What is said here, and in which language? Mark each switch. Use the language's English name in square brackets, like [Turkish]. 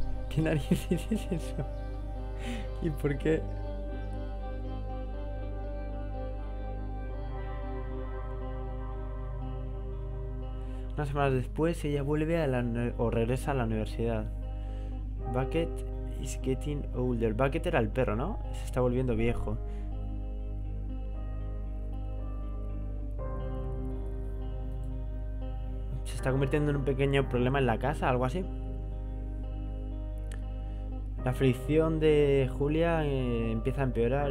[Spanish] ¿Qué narices es eso? ¿Y por qué? Unas semanas después ella vuelve a la o regresa a la universidad. [English] Bucket is getting older. [Spanish] Bucket era el perro, ¿no? Se está volviendo viejo. Se está convirtiendo en un pequeño problema en la casa, algo así. La fricción de Julia empieza a empeorar.